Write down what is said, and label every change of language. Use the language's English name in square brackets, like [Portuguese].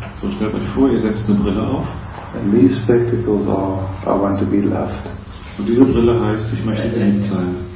[German] So stellt euch vor, ihr setzt eine Brille auf. [English] And these spectacles are, I want to be loved. [German] Und diese Brille heißt, ich möchte geliebt sein.